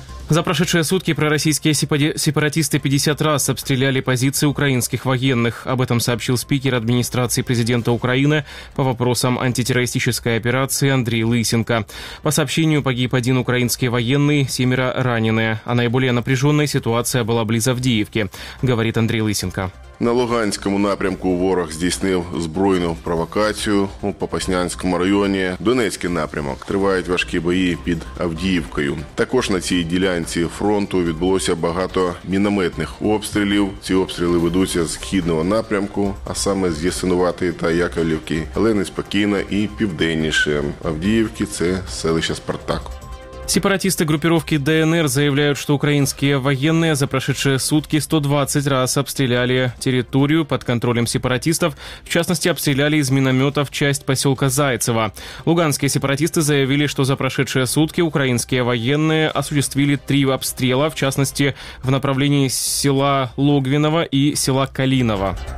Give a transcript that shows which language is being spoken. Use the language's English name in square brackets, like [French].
[Russian] За прошедшие сутки пророссийские сепаратисты 50 раз обстреляли позиции украинских военных. Об этом сообщил спикер администрации президента Украины по вопросам антитеррористической операции Андрей Лысенко. По сообщению, погиб один украинский военный, семеро раненые. А наиболее напряженная ситуация была близ Авдіївки, говорит Андрей Лысенко. [Ukrainian] На Луганському напрямку ворог здійснив збройну провокацію у Попаснянському районі. Донецький напрямок. Тривають важкі бої під Авдіївкою. Також на цій ділянці фронту відбулося багато мінометних обстрілів. Ці обстріли ведуться з східного напрямку, а саме з Ясинуватої та Яковлівки. Але неспокійно і південніше. Авдіївки – це селище Спартак. [Russian] Сепаратисты группировки ДНР заявляют, что украинские военные за прошедшие сутки 120 раз обстреляли территорию под контролем сепаратистов. В частности, обстреляли из минометов часть поселка Зайцево. Луганские сепаратисты заявили, что за прошедшие сутки украинские военные осуществили 3 обстрела, в частности, в направлении села Логвиново и села Калиново.